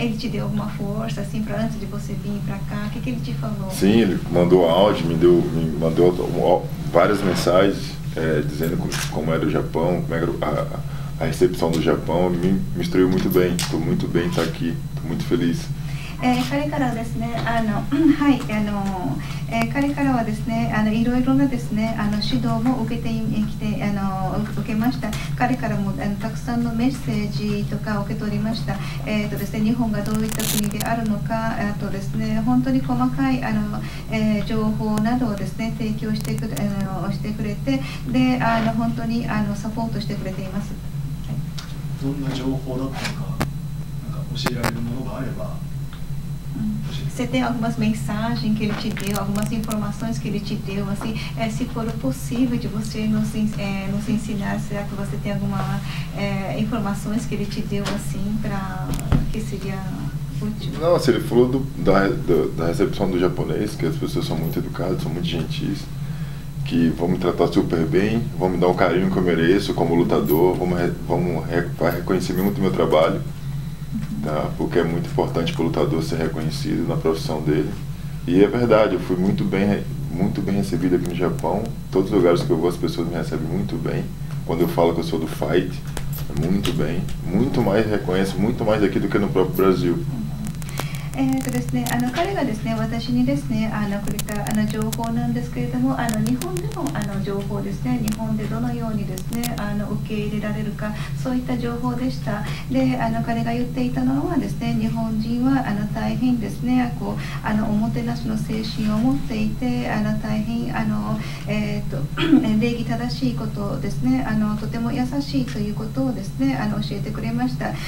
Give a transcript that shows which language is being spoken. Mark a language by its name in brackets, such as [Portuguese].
[Portuguese] Ele te deu alguma força, assim, pra antes de você vir pra cá? O que, que ele te falou? Sim, ele mandou áudio, me mandou várias mensagens dizendo como era o Japão, como era a recepção do Japão. Me instruiu muito bem. Estou muito bem estar aqui. Estou muito feliz. [Japanese] 彼からはですね、いろいろなですね、指導も受けてきて、受けました。彼からもたくさんのメッセージとか受け取りました。ですね、日本がどういった国であるのか、あとですね、本当に細かい情報などをですね、提供してくれ、してくれて、で、本当にサポートしてくれています。どんな情報だったのか、なんか教えられるものがあれば、 [Portuguese] Você tem algumas mensagens que ele te deu, algumas informações que ele te deu, assim, se for possível de você nos ensinar, será que você tem algumas informações que ele te deu, assim, para que seria útil? Não, assim, ele falou da recepção do japonês, que as pessoas são muito educadas, são muito gentis, que vão me tratar super bem, vão me dar o carinho que eu mereço como lutador, vai reconhecer muito o meu trabalho. Tá, porque é muito importante para o lutador ser reconhecido na profissão dele. E é verdade, eu fui muito bem recebido aqui no Japão. Todos os lugares que eu vou, as pessoas me recebem muito bem. Quando eu falo que eu sou do fight, é muito bem. Muito mais reconhece, muito mais aqui do que no próprio Brasil. [Japanese] ですね、彼がですね、私にですね、くれた情報なんですけれども、日本でも情報ですね、日本でどのようにですね、受け入れられるか、そういった情報でした。で、彼が言っていたのはですね、日本人は大変ですね、こうおもてなしの精神を持っていて、大変礼儀正しいことですね、とても優しいということをですね、教えてくれました。